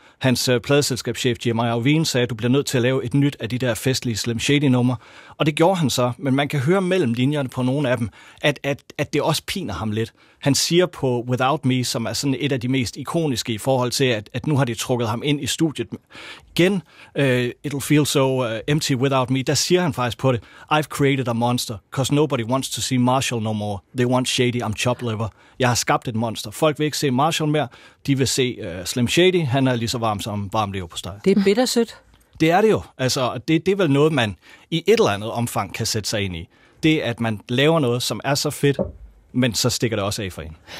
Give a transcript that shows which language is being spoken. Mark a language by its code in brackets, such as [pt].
[da] Hans pladeselskabschef Jeremiah Wien sagde, at du bliver nødt til at lave et nyt af de der festlige Slim Shady numre. Og det gjorde han så, men man kan høre mellem linjerne på nogle af dem, at det også piner ham lidt. Han siger på Without Me, som er sådan et af de mest ikoniske i forhold til, at nu har de trukket ham ind i studiet igen. [en] It'll feel so empty without me. [da] Der siger han faktisk på det, [en] I've created a monster, because nobody wants to see Marshall no more. They want Shady, I'm chop liver. [da] Jeg har skabt et monster. Folk vil ikke se Marshall mere. De vil se Slim Shady. Han er lige så varm som varm lever på steg. Det er bittersødt. Det er det jo. Altså, det er vel noget, man i et eller andet omfang kan sætte sig ind i. Det er, at man laver noget, som er så fedt, men så stikker det også af for en.